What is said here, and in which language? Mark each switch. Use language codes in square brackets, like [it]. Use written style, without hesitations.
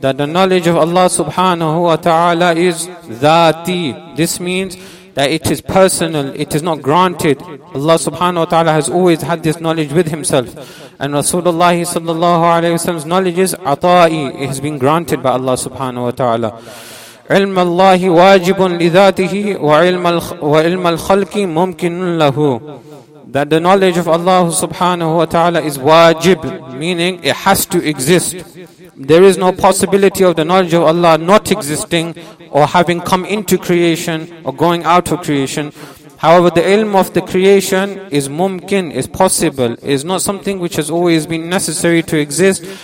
[en] That the knowledge of Allah subhanahu wa ta'ala is dhati. This means that it is personal, it is not granted. Allah subhanahu wa ta'ala has always had this knowledge with himself. And Rasulullah sallallahu alayhi wa sallam's knowledge is ata'i. It has been granted by Allah subhanahu wa ta'ala. [ar] علم الله واجب لذاته وعلم الخلق ممكن له. [en] That the knowledge of Allah subhanahu wa ta'ala is wajib, meaning it has to exist. There is no possibility of the knowledge of Allah not existing or having come into creation or going out of creation. However, the ilm of the creation is mumkin, is possible, is not something which has always been necessary to exist.